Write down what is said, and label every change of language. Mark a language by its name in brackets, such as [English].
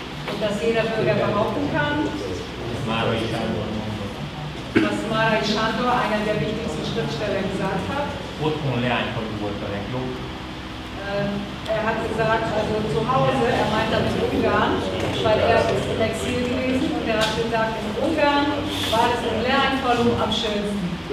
[German] Und dass jeder Bürger behaupten kann. [Hungarian] Márai Sándor mondta. [German] Was Márai Sándor, einer der wichtigsten Schriftsteller, gesagt hat. [Hungarian] Otthon Leánykorú volt a legjobb. [German] Er hat gesagt, also zu Hause, er meint damit Ungarn, weil er ist im Exil gewesen und er hat gesagt, in Ungarn war es in Leánykorú am schönsten.